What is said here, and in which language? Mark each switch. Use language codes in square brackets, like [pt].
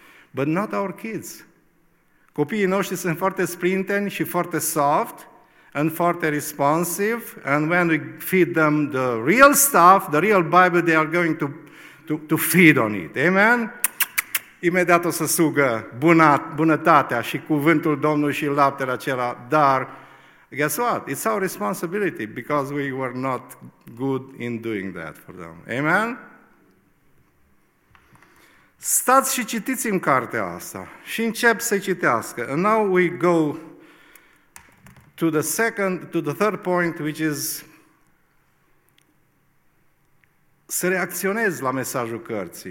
[en] But not our kids. [ro] Copiii noștri sunt foarte sprinteni și foarte [en] soft and foarte responsive, and when we feed them the real stuff, the real Bible, they are going to feed on it. Amen? [ro] Imediat o să sugă bunătatea și cuvântul Domnului și laptele acela, dar [en] guess what? It's our responsibility because we were not good in doing that for them. Amen? [ro] Stați și citiți în cartea asta și încep să citească. [en] And now we go to the third point, which is [ro] să reacționezi la mesajul cărții.